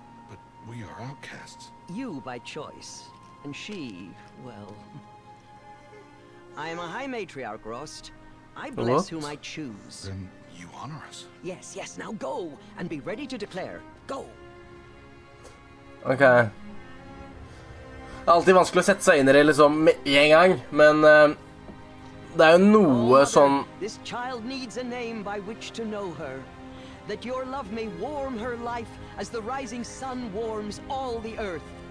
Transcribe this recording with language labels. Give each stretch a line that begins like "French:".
English: But we are outcasts. You by choice, and she, well... I am a high matriarch, Rost. I bless whom I choose. Then you honor us. Yes, yes, now go, and be ready to declare. Go! Okay.
Norwegian: Det er alltid vanskelig å sette seg inn i det liksom med en gang, men... det er jo noe sånn...
English: This child needs a name by which to know her. That your love may warm her life as the rising sun warms all the earth.